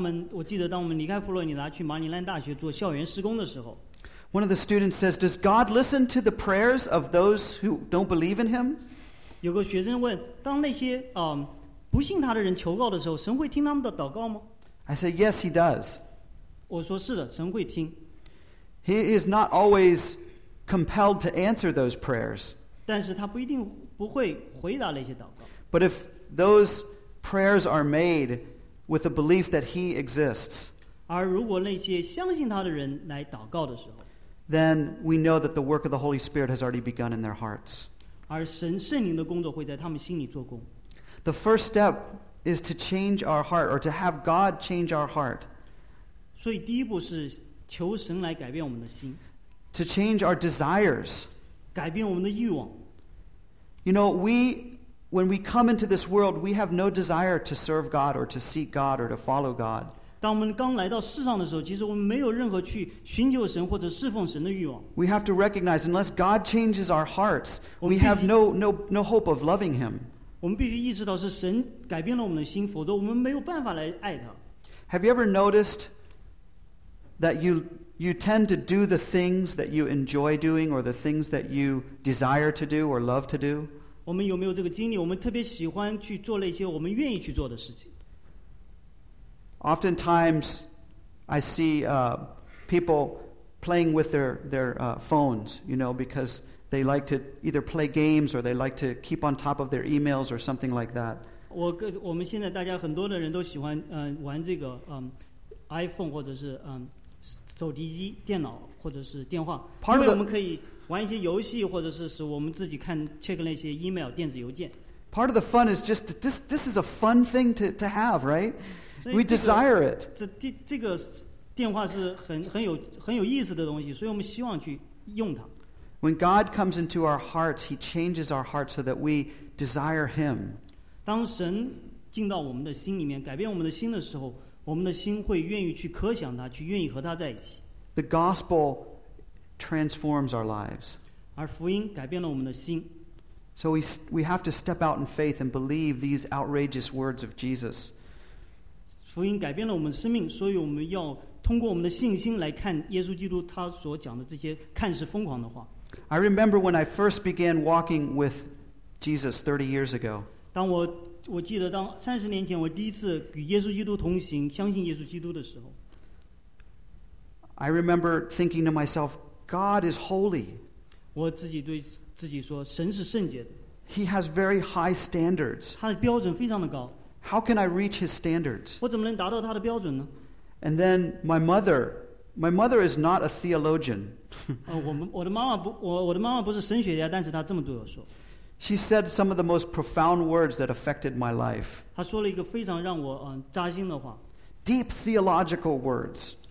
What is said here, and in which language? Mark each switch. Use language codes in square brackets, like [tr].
[zh] 我记得当我们离开佛罗里达去马里兰大学做校园施工的时候， [en] One of the students says, "Does God listen to the prayers of those who don't believe in Him?" [zh] 有个学生问，当那些不信他的人求告的时候，神会听他们的祷告吗？ [en] I said, "Yes, He does." [zh] 我说是的，神会听。 [en] He is not always compelled to answer those prayers. [zh] 但是他不一定不会回答那些祷告。 [en] But if those prayers are made with a belief that He exists, [zh] 而如果那些相信他的人来祷告的时候， [en] Then we know that the work of the Holy Spirit has already begun in their hearts. [zh] 而神圣灵的工作会在他们心里做工。 [en] The first step is to change our heart, or to have God change our heart. [zh] 所以第一步是求神来改变我们的心。 [en] To change our desires. [zh] 改变我们的欲望。 [en] You know, when we come into this world, we have no desire to serve God or to seek God or to follow God. [zh] 当我们刚来到世上的时候，其实我们没有任何去寻求神或者侍奉神的欲望。 [en] We have to recognize, unless God changes our hearts, we have no hope of loving Him. [zh] 我们必须意识到是神改变了我们的心，否则我们没有办法来爱他。 [en] Have you ever noticed that you tend to do the things that you enjoy doing or the things that you desire to do or love to do? [zh] 我们有没有这个经历？我们特别喜欢去做那些我们愿意去做的事情。 [en] Oftentimes, I see people playing with their phones, you know, because they like to either play games or they like to keep on top of their emails or something like that. [zh] 我们现在大家很多的人都喜欢玩这个iPhone 或者是手提机、电脑或者是电话，因为我们可以玩一些游戏，或者是使我们自己看 check 那些 email 电子邮件。 [en] Part of the fun is just this is a fun thing to have, right? We desire it. [zh] 这个电话是很有意思的东西，所以我们希望去用它。 [en] When God comes into our hearts, He changes our hearts so that we desire Him. [zh] 当神进到我们的心里面，改变我们的心的时候，我们的心会愿意去渴想他，去愿意和他在一起。 [en] The gospel transforms our lives. [zh] 而福音改变了我们的心。 [en] So we have to step out in faith and believe these outrageous words of Jesus. [zh] 福音改变了我们的生命，所以我们要通过我们的信心来看耶稣基督他所讲的这些看似疯狂的话。 [en] I remember when I first began walking with Jesus 30 years ago. [zh] 当我记得当30年前我第一次与耶稣基督同行，相信耶稣基督的时候。 [en] I remember thinking to myself, God is holy. [zh] 我自己对自己说，神是圣洁的。 [en] He has very high standards. [zh] 他的标准非常的高。 [en] How can I reach his standards? [zh] 我怎么能达到他的标准呢？ [en] And then my mother is not a theologian. [zh] 我的妈妈不是神学家，但是她这么对我说。 [en] She said some of the most profound words that affected my life. [zh] 她说了一个非常让我扎心的话。 [en] Deep theological words.